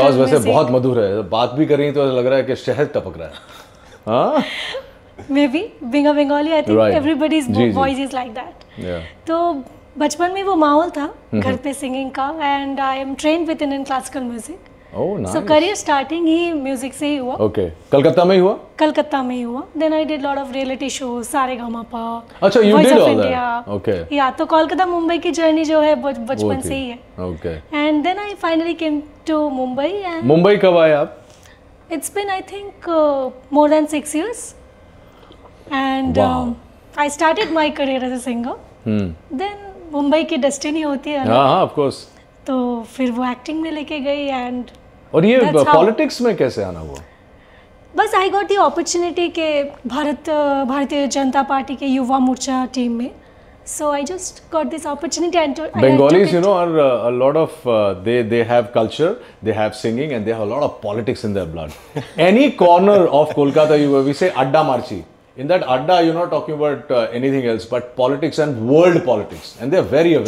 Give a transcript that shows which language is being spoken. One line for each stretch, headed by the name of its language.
Hindi: awaaz वैसे बहुत मधुर है. बात भी कर रही तो लग रहा है कि शहद टपक रहा है.
English: Maybe being a Bengali, I think right. Everybody's जी, voice जी. Is like that.
Hindi: तो बचपन में वो माहौल था घर पे सिंगिंग का,
English: And I am trained with in classical music. Oh, nice. So career starting
Hindi: he music से ही हुआ. Okay. कलकत्ता में ही हुआ? कलकत्ता में ही हुआ.
English: Then I did lot of reality shows, Sa Re Ga Ma Pa.
Hindi: अच्छा,
English: you did all that. Okay.
Hindi: Yeah, तो कलकत्ता मुंबई की जर्नी जो है बचपन से ही है.
English: Okay. And then I finally came to Mumbai.
Hindi: Mumbai कब आए आप?
English: It's been I think more than 6 years. And I started my career as a singer.
Hindi: Then Mumbai की destiny होती है. हाँ हाँ,
English: of course.
Hindi: तो फिर वो एक्टिंग में लेके गई, एंड और ये पॉलिटिक्स में कैसे आना हुआ? बस
English: I got the opportunity
Hindi: के भारतीय जनता पार्टी के युवा मोर्चा टीम में,
English: So I just got this opportunity and Bengalis, you know, are a lot of they have culture, they have singing, and they have a lot of politics in their blood. Any corner of Kolkata, you we say adda marchi. In that adda, you're not talking about anything else but politics and world politics, and they're very aware.